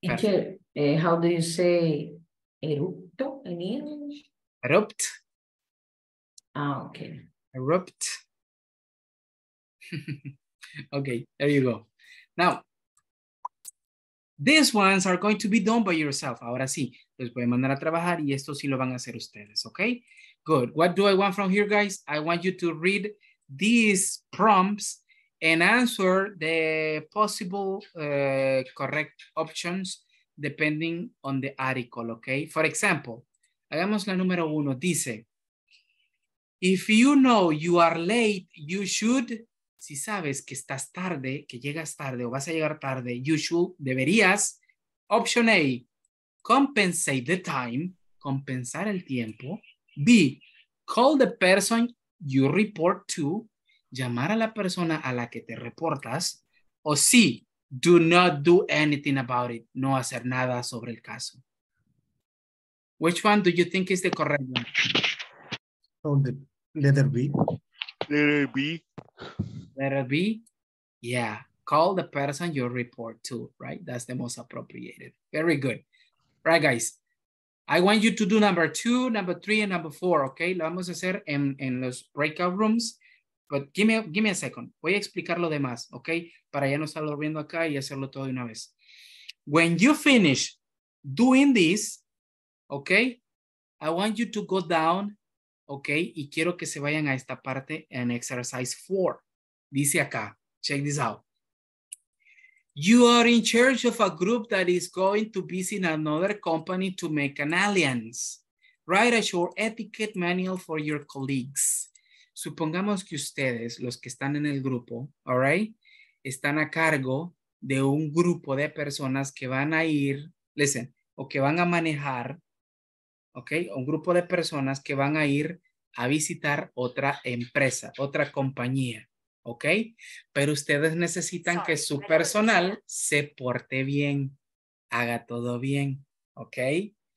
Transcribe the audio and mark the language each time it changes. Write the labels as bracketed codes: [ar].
[en] How do you say erupto in English? Erupt. Ah, okay. Erupt. Okay, there you go. Now, these ones are going to be done by yourself. [es] Ahora sí, les voy a mandar a trabajar y esto sí lo van a hacer ustedes, okay? [en] Good. What do I want from here, guys? I want you to read these prompts and answer the possible correct options depending on the article, okay? For example, [es] hagamos la número uno, dice, [en] if you know you are late, you should, [es] si sabes que estás tarde, que llegas tarde o vas a llegar tarde, [en] you should, [es] deberías, [en] option A, compensate the time, [es] compensar el tiempo, [en] B, call the person you report to, [es] llamar a la persona a la que te reportas, o [en] C, do not do anything about it, [es] no hacer nada sobre el caso. [en] Which one do you think is the correct one? Letter B. Letter B. Letter B? Yeah. Call the person you report to, right? That's the most appropriate. Very good. Right, guys. I want you to do number two, number three, and number four, okay? [es] Lo vamos a hacer en los breakout rooms. [en] But give me a second. [es] Voy a explicar lo demás, okay? Para ya no estarlo viendo acá y hacerlo todo de una vez. [en] When you finish doing this, okay? I want you to go down, okay? [es] Y quiero que se vayan a esta parte en [en] exercise four. [es] Dice acá, [en] check this out. You are in charge of a group that is going to visit another company to make an alliance. Write a short etiquette manual for your colleagues. [es] Supongamos que ustedes, los que están en el grupo, [en] all right, [es] están a cargo de un grupo de personas que van a ir, [en] listen, [es] o que van a manejar, okay, un grupo de personas que van a ir a visitar otra empresa, otra compañía, okay, pero ustedes necesitan que su personal se porte bien, haga todo bien, okay.